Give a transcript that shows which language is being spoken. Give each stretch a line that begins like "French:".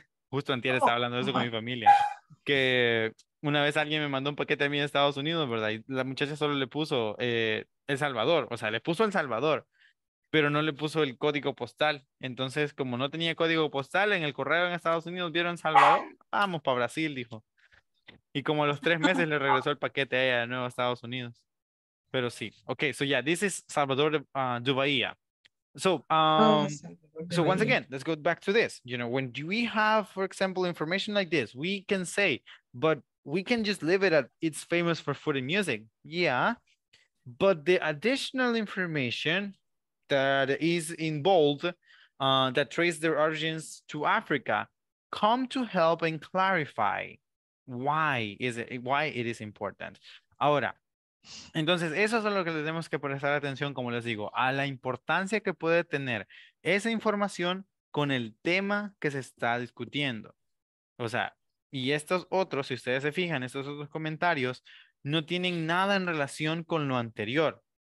Spanish: Justo antier estaba hablando de eso con mi familia. Que una vez alguien me mandó un paquete a mí de Estados Unidos, ¿verdad? Y la muchacha solo le puso El Salvador, o sea, le puso El Salvador, pero no le puso el código postal. Entonces, como no tenía código postal, en el correo en Estados Unidos vieron Salvador, vamos para Brasil, dijo. Y como a los 3 meses le regresó el paquete a ella de nuevo a Estados Unidos. Pero sí.
English: Ok, so yeah, this is Salvador de Bahía. So, so once again, let's go back to this. You know, when do we have, for example, information like this, we can say, but we can just leave it at it's famous for food and music. Yeah, but the additional information that is in bold, that trace their origins to Africa, come to help and clarify why it is important.
Spanish: Ahora, entonces, eso es lo que tenemos que prestar atención, como les digo, a la importancia que puede tener esa información con el tema que se está discutiendo. O sea, y estos otros, si ustedes se fijan, estos otros comentarios no tienen nada en relación con lo anterior.